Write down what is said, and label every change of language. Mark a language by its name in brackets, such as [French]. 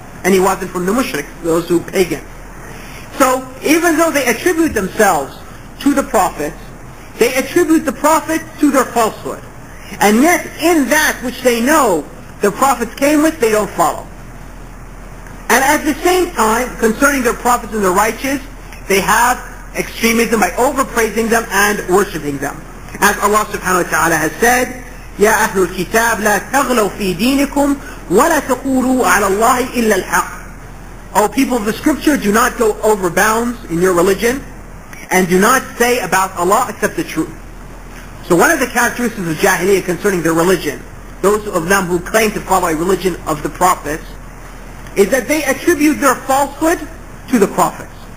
[English] And he wasn't from the Mushrik, those who pagan. So, even though they attribute themselves to the Prophet, they attribute the Prophet to their falsehood. And yet, in that which they know the Prophets came with, they don't follow. And at the same time, concerning their Prophets and the righteous, they have extremism by overpraising them and worshipping them. As Allah subhanahu wa ta'ala has said, [Arabic] يَا أَهْلُ الْكِتَابِ لَا تَغْلَوْ فِي دِينِكُمْ وَلَا تَقُولُوا عَلَى اللَّهِ إِلَّا الْحَقِّ. [English] O people of the scripture, do not go over bounds in your religion, and do not say about Allah except the truth. So one of the characteristics of Jahiliyyah concerning their religion, those of them who claim to follow a religion of the Prophets, is that they attribute their falsehood to the Prophets.